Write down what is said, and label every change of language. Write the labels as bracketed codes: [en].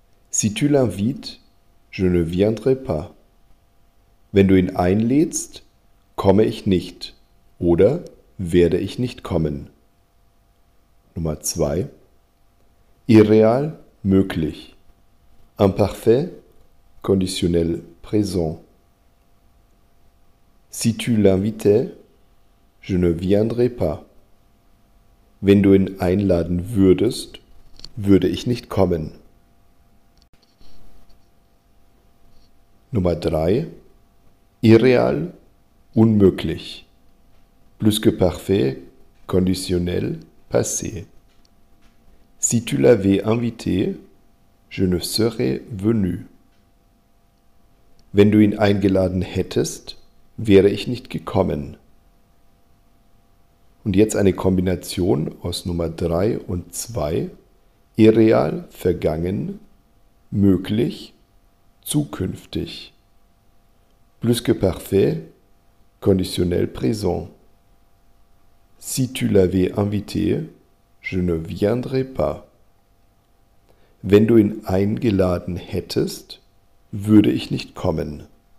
[fr] Si tu l'invites, je ne viendrai pas. [de] Wenn du ihn einlädst, komme ich nicht oder werde ich nicht kommen. Nummer 2. Irreal, möglich. [fr] Imparfait, conditionnel présent. Si tu l'invitais, je ne viendrais pas. [de] Wenn du ihn einladen würdest, würde ich nicht kommen. Nummer 3. Irreal, unmöglich. [fr] Plus que parfait, conditionnel passé. Si tu l'avais invité, je ne serais venu. [de] Wenn du ihn eingeladen hättest, wäre ich nicht gekommen. Und jetzt eine Kombination aus Nummer 3 und 2. Irreal, vergangen, möglich, zukünftig. [fr] Plus que parfait, conditionnel présent. Si tu l'avais invité, je ne viendrais pas. [de] Wenn du ihn eingeladen hättest, würde ich nicht kommen.